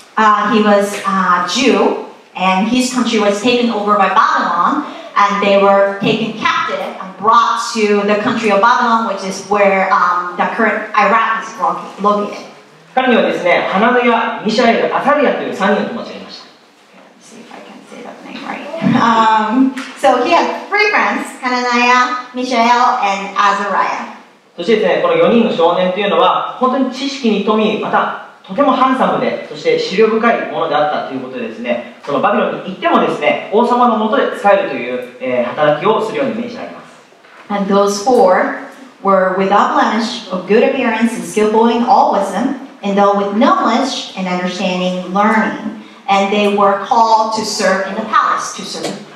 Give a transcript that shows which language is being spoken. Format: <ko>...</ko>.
<en>He was Jew, and his country was taken over by Babylon, and they were taken captive and brought to the country of Babylon, which is where the current Iraq is located.</en> <ja>彼にはですね、ハナヤ、ミシャエル、アサリアという3人の友達がいました。そしてですね、この4人の少年というのは、本当に知識に富み、またとてもハンサムで、そして思慮深いものであったということでですね、そのバビロンに行っても、ですね、王様のもとで使えるという働きをするように命じられます。</ja> <en>And those four were without blemish, of good appearance, and skillful in all wisdom, and though with knowledge and understanding, learning, and they were called to serve in the palace, to serve.</en>